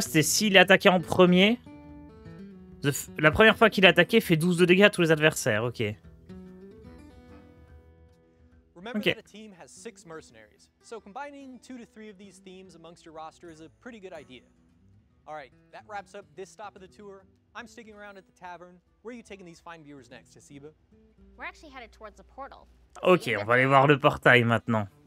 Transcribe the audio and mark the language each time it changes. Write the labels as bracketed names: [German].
[French] C'était s'il est attaqué en premier, la première fois qu'il est attaqué, fait 12 de dégâts à tous les adversaires, ok. [English] Remember that a team has 6 mercenaries, so combining 2 to 3 of these themes amongst your roster is a pretty good idea. All right, that wraps up this stop of the tour. I'm sticking around at the tavern. Where are you taking these fine viewers next, Hasiba? We're actually headed towards the portal. [French] Ok, on va aller voir le portail maintenant.